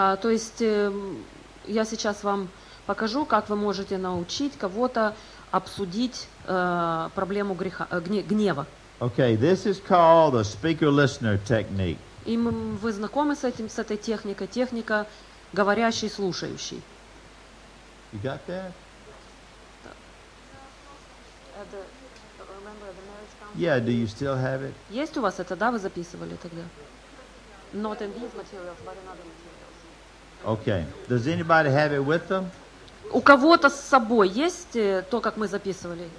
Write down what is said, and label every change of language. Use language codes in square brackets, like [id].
[ru] То есть я сейчас вам покажу, как вы можете научить кого-то обсудить проблему греха, гнева. [en] Okay, this is called the speaker listener technique. [ru] И вы знакомы с этим, с этой техникой, техника говорящий, слушающий. [en] You got that? Remember the marriage counseling? Yeah, do you still have it? [ru] Есть у вас это, да, вы записывали тогда? [en] Not in these materials, but in other materials. Okay. Does anybody have it with them? [ru] У кого-то с собой есть то, как мы записывали?